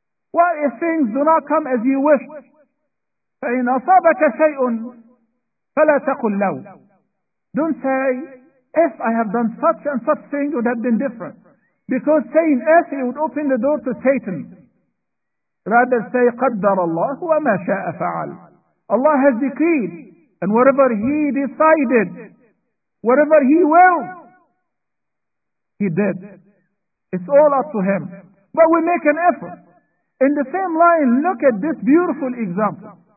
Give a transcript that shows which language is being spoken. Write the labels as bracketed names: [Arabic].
[English] What if things do not come as you wish? [Arabic] فَإِنْ أَصَابَكَ شَيْءٌ فَلَا تَقُلْ لَوْ. [English] Don't say, if I have done such and such thing, it would have been different. Because saying if, it would open the door to Satan. Rather say, [Arabic] قدر الله وما شاء فعل. [English] Allah has decreed, and whatever He decided, whatever He will, He did. It's all up to Him. But we make an effort. In the same line, look at this beautiful example.